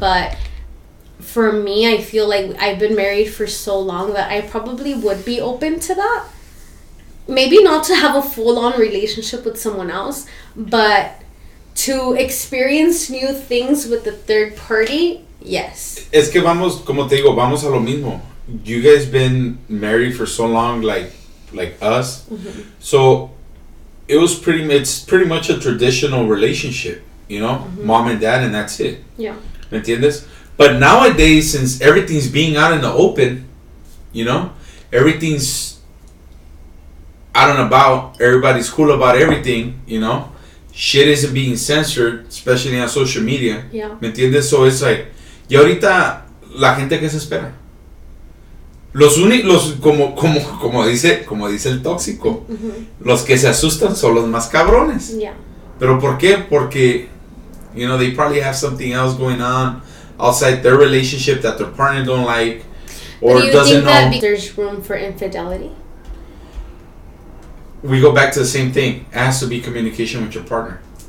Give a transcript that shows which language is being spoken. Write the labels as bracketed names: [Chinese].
[English] But for me, I feel like I've been married for so long that I probably would be open to that. Maybe not to have a full-on relationship with someone else, but to experience new things with the third party, yes. [Spanish] Es que vamos, como te digo, vamos a lo mismo. [English] You guys been married for so long, like us. Mm-hmm. So it was pretty much a traditional relationship, you know, mm-hmm. mom and dad, and that's it. Yeah. [Spanish] ¿Me entiendes? [English] But nowadays, since everything's being out in the open, you know, everything's out and about, everybody's cool about everything, you know, shit isn't being censored, especially on social media. Yeah. [Spanish] ¿Me entiendes? [English] So it's like, [Spanish] y ahorita, la gente que se espera. Los como dice el tóxico, mm-hmm. los que se asustan son los más cabrones. [English] Yeah. [Spanish] Pero ¿por qué? [English] Porque, you know, they probably have something else going on outside their relationship that their partner don't like, or do doesn't know. But you think that there's room for infidelity? We go back to the same thing. It has to be communication with your partner.